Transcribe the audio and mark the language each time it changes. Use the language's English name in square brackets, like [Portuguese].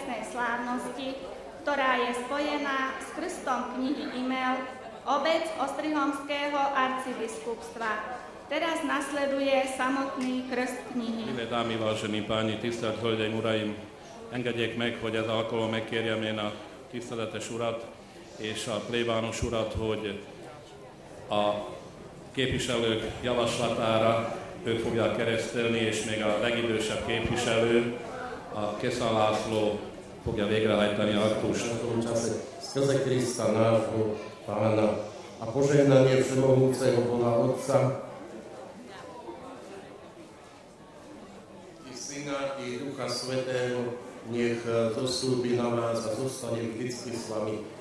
[Slovak] slávnosti, ktorá je spojená s krstom knihy e-mail obec Ostrihomského arcibiskupstva. Teraz nasleduje samotný krst knihy. Milé dámy, vážení páni, [Hungarian] tisztelt hölgyeim, uraim, engedjék meg, hogy ez alkalom megkérjem én a tiszteletes urat és a plébános urat, hogy a képviselők javaslatára ő fogja keresztelni, és még a legidősebb képviselő, a Kesza László fogja végrehajtani aktust. [Slovak] Skrze Krista nášho pána a požehnanie všemohúceho Boha Otca i Syna i Ducha Svätého nech zosúbi na vás a zostane vždycky s vami.